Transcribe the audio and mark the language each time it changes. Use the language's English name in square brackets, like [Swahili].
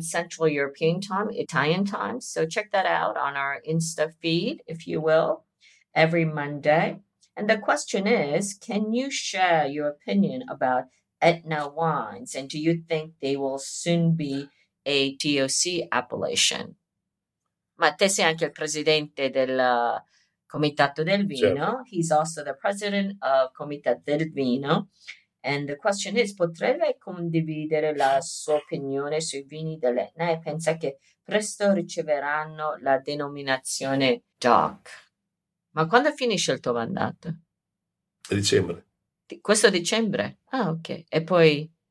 [English] Central European time, Italian time. So check that out on our Insta feed, if you will, every Monday. And the question is, can you share your opinion about Etna wines, and do you think they will soon be a DOC appellation? [Italian] Ma te sei anche il presidente del Comitato del Vino. Certo. [English] He's also the president of Comitato del Vino. And the question is, [Italian] potrebbe condividere la sua opinione sui vini dell'Etna e pensa che presto riceveranno la denominazione DOC? Ma quando finisce il tuo mandato? A dicembre. Questo dicembre? Ah, ok. E poi?